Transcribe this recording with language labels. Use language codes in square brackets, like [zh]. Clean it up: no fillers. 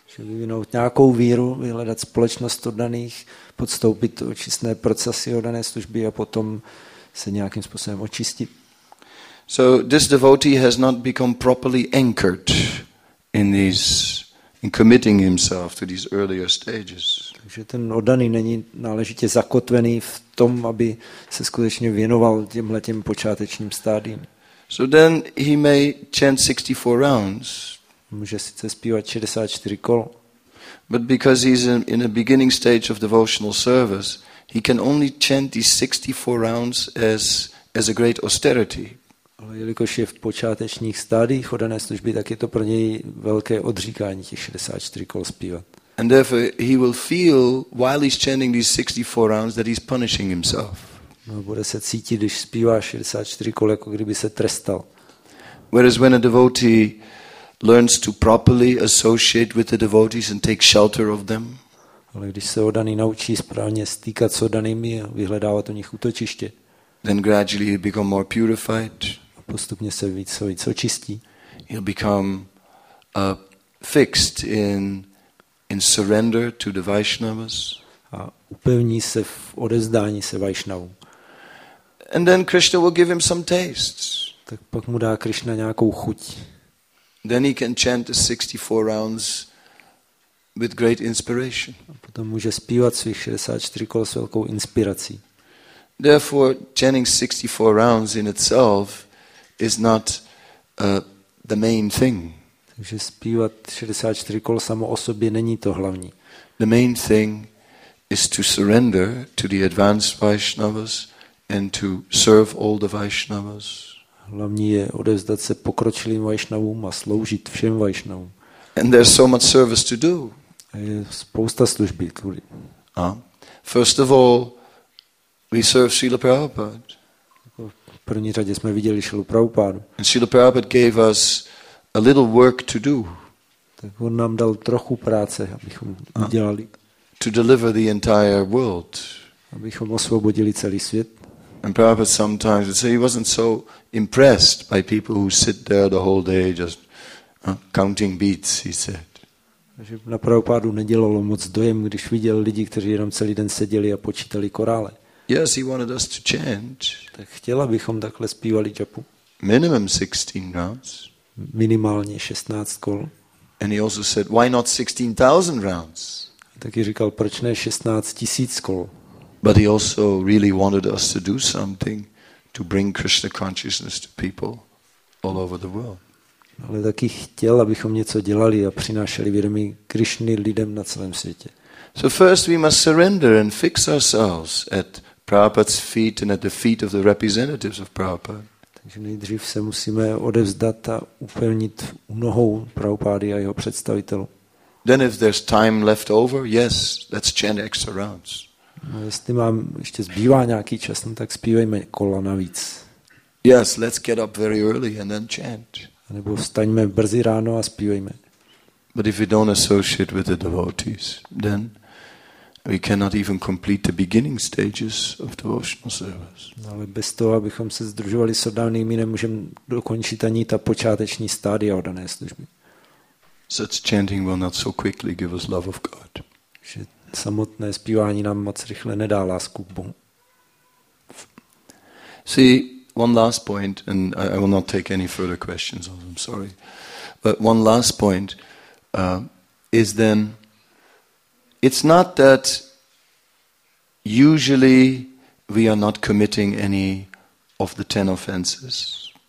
[cs] Vyvinout nějakou víru, vyhledat společnost oddaných, podstoupit očistné procesy oddané služby a potom se nějakým způsobem očistit. [en] So this devotee has not become properly anchored in committing himself to these earlier stages. [cs] Takže ten oddaný není náležitě zakotvený v tom, aby se skutečně věnoval těmhle těm počátečním stádiím. [en] So then he may chant 64 rounds. [cs] Může sice zpívat 64 kol. [en] But because he's in a beginning stage of devotional service, he can only chant these 64 rounds as a great austerity. [cs] Ale jelikož je v počátečních stádiích oddané služby, tak je to pro něj velké odříkání těch 64 kol zpívat. [en] And therefore he will feel while he's chanting these 64 rounds that he's punishing himself. [cs] No, bude se cítit, když zpívá 64 kol, jako kdyby se trestal. [en] Whereas when a devotee learns to properly associate with the devotees and take shelter of them. [cs] Ale když se oddaný naučí správně stýkat s oddanými a vyhledávat u nich útočiště, [en] then gradually he'll become more purified. [cs] Postupně se víc a víc očistí. [en] He'll become fixed in surrender to the Vaishnavas. [cs] A upevní se v odezdání se Vaishnavům. [en] And then Krishna will give him some tastes. [cs] Tak pak mu dá Krishna nějakou chuť. [en] Then he can chant the 64 rounds with great inspiration. [cs] A potom může zpívat svých 64 kol s velkou inspirací. [en] Therefore, chanting 64 rounds in itself is not the main thing. [cs] Takže zpívat 64 kol samo o sobě není to hlavní. [en] The main thing is to surrender to the advanced Vaishnavas and to serve all the Vaishnavas. [cs] Hlavní je odevzdat se pokročilým Vaishnavům a sloužit všem Vaishnavům. [en] And there's so much service to do. [cs] A je spousta služby, kvůli. [en] First of all, we serve Srila Prabhupada. [cs] první řadě jsme viděli Šrilu Prabhupádu. [en] And Srila Prabhupada gave us a little work to do. [cs] Tak on nám dal trochu práce, abychom udělali. [en] To deliver the entire world. [cs] Abychom osvobodili celý svět. [en] And Prabhupada sometimes would say he wasn't so impressed by people who sit there the whole day just counting beads, he said. [cs] Takže na Prabhupádu nedělalo moc dojem, když viděl lidi, kteří jenom celý den seděli a počítali korále. [en] Yes, he wanted us to chant. [cs] Tak chtěl, abychom takhle zpívali džapu. [en] Minimum 16 rounds. [cs] Minimálně 16 kol. [en] And he also said, why not 16,000 rounds? [cs] Taky říkal, proč ne 16 000 kol? [en] But he also really wanted us to do something to bring Krishna consciousness to people all over the world. [cs] Ale taky chtěl, abychom něco dělali a přinášeli vědomí Krišny lidem na celém světě. [en] So first we must surrender and fix ourselves at Prabhupada's feet and at the feet of the representatives of Prabhupada. [cs] Takže nejdřív se musíme odevzdat a upevnit u nohou Prabhupády a jeho představitelů. [en] Then if there's time left over, yes, let's chant extra rounds. [cs] A jestli mám ještě zbývá nějaký čas, tak zpívejme kola navíc. [en] Yes, let's get up very early and then chant. [cs] Nebo vstaňme brzy ráno a zpívejme. [en] But if we don't associate with the devotees, then we cannot even complete the beginning stages of devotional service. [cs] Ale bez toho, abychom se združovali s oddanými, nemůžeme dokončit ani ta počáteční stádia oddané služby. [en] Such chanting will not so quickly give us love of God. [cs] Že samotné zpívání nám moc rychle nedá lásku k Bohu. [en] See, one last point, and I will not take any further questions. I'm sorry, but one last point is then: it's not that usually we are not committing any of the 10 offenses.